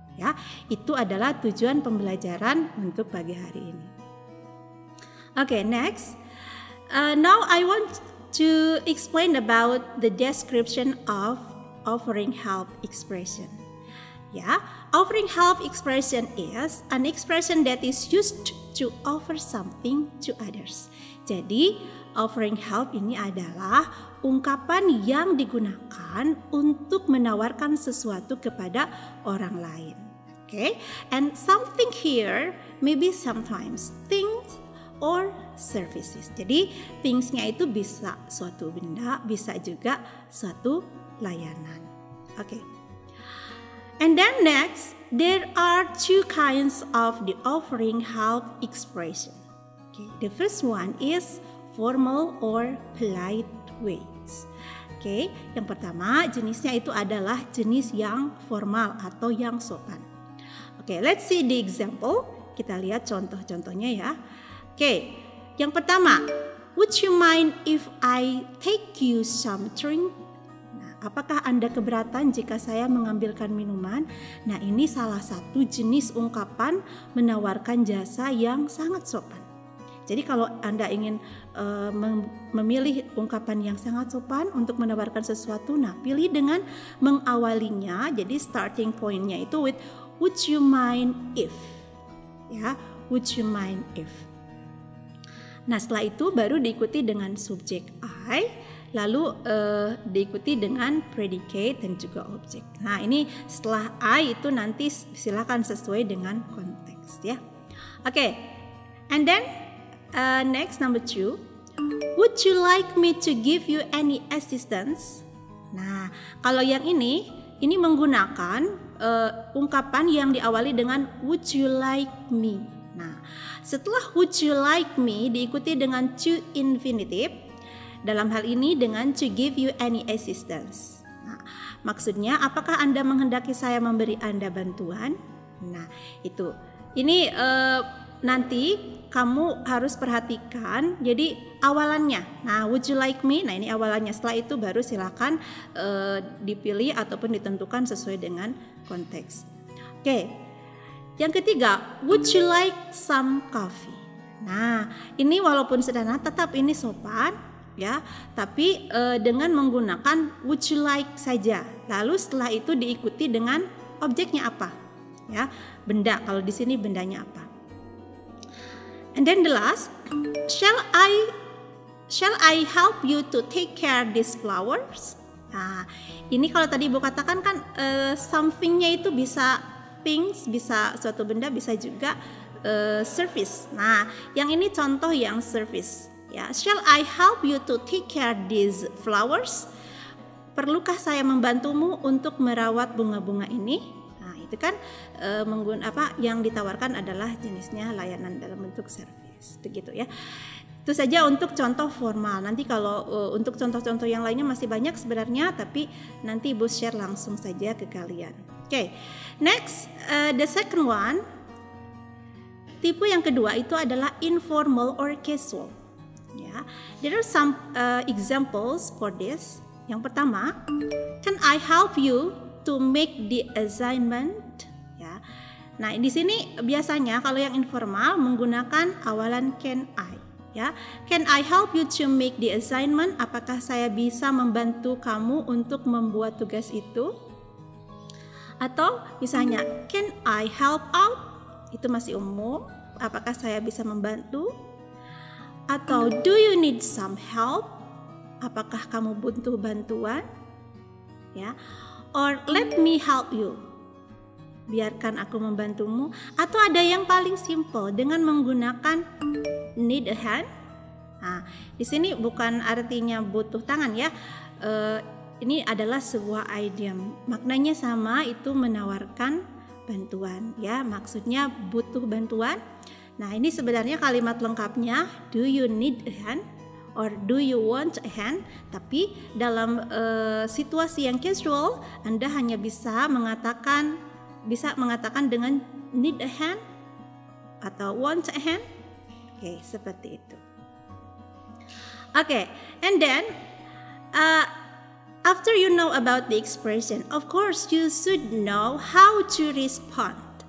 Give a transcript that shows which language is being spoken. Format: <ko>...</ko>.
<id>Ya, itu adalah tujuan pembelajaran untuk pagi hari ini.</id> <en>Okay, next. Now I want to explain about the description of offering help expression. Yeah, offering help expression is an expression that is used to offer something to others.</en> <id>Jadi, offering help ini adalah ungkapan yang digunakan untuk menawarkan sesuatu kepada orang lain.</id> <en>Okay, and something here, maybe sometimes things or services.</en> <id>Jadi, things-nya itu bisa suatu benda, bisa juga suatu layanan.</id> <en>Okay. And then next, there are two kinds of the offering help expression. Okay, the first one is formal or polite ways. Okay.</en> <id>Yang pertama jenisnya itu adalah jenis yang formal atau yang sopan.</id> <en>Okay, let's see the example.</en> <id>Kita lihat contoh-contohnya ya.</id> <en>Okay.</en> <id>Yang pertama,</id> <en>would you mind if I take you some drink?</en> <id>Apakah Anda keberatan jika saya mengambilkan minuman? Nah, ini salah satu jenis ungkapan menawarkan jasa yang sangat sopan. Jadi kalau Anda ingin memilih ungkapan yang sangat sopan untuk menawarkan sesuatu, nah pilih dengan mengawalinya. Jadi</id> <en>starting point-nya itu with would you mind if.</en> <id>Ya,</id> <en>would you mind if.</en> <id>Nah, setelah itu baru diikuti dengan subjek I. Lalu diikuti dengan predicate dan juga objek. Nah, ini setelah I itu nanti silakan sesuai dengan konteks ya.</id> <en>Oke, okay. And then next number two. Would you like me to give you any assistance?</en> <id>Nah, kalau yang ini menggunakan ungkapan yang diawali dengan</id> <en>would you like me?</en> <id>Nah, setelah</id> <en>would you like me</en> <id>diikuti dengan to infinitive. Dalam hal ini dengan</id> <en>to give you any assistance.</en> <id>Nah, maksudnya apakah Anda menghendaki saya memberi Anda bantuan? Nah, itu. Ini nanti kamu harus perhatikan. Jadi awalannya. Nah,</id> <en>would you like me?</en> <id>Nah, ini awalannya. Setelah itu baru silakan dipilih ataupun ditentukan sesuai dengan konteks. Oke. Yang ketiga,</id> <en>would you like some coffee?</en> <id>Nah, ini walaupun sederhana tetap ini sopan. Ya, tapi dengan menggunakan</id> <en>would you like</en> <id>saja. Lalu setelah itu diikuti dengan objeknya apa? Ya, benda. Kalau di sini bendanya apa?</id> <en>And then the last, shall I help you to take care these flowers?</en> <id>Nah, ini kalau tadi Ibu katakan kan something-nya itu bisa things, bisa suatu benda, bisa juga service. Nah, yang ini contoh yang service. Ya,</id> <en>shall I help you to take care these flowers?</en> <id>Perlukah saya membantumu untuk merawat bunga-bunga ini? Nah, itu kan yang ditawarkan adalah jenisnya layanan dalam bentuk service, begitu ya. Itu saja untuk contoh formal. Nanti kalau untuk contoh-contoh yang lainnya masih banyak sebenarnya, tapi nanti Ibu share langsung saja ke kalian. Oke, okay.</id> <en>Next the second one.</en> <id>Tipe yang kedua itu adalah</id> <en>informal or casual. There are some examples for this.</en> <id>Yang pertama,</id> <en>can I help you to make the assignment? Ya.</en> <id>Nah, di sini biasanya kalau yang informal menggunakan awalan</id> <en>can I.</en> <id>Ya.</id> <en>Can I help you to make the assignment?</en> <id>Apakah saya bisa membantu kamu untuk membuat tugas itu? Atau misalnya,</id> <en>can I help out?</en> <id>Itu masih umum. Apakah saya bisa membantu? Atau</id> <en>do you need some help?</en> <id>Apakah kamu butuh bantuan? Ya.</id> <en>Or let me help you.</en> <id>Biarkan aku membantumu. Atau ada yang paling simple dengan menggunakan</id> <en>need a hand.</en> <id>Nah, di sini bukan artinya butuh tangan ya. Ini adalah sebuah idiom. Maknanya sama, itu menawarkan bantuan ya. Maksudnya butuh bantuan. Nah, ini sebenarnya kalimat lengkapnya</id> <en>do you need a hand</en> <id>or do you want a hand, tapi dalam situasi yang casual Anda hanya bisa mengatakan dengan</id> <en>need a hand</en> <id>atau</id> <en>want a hand.</en> <id>Oke, okay, seperti itu.</id> <en>Oke, okay, and then after you know about the expression, of course you should know how to respond.</en>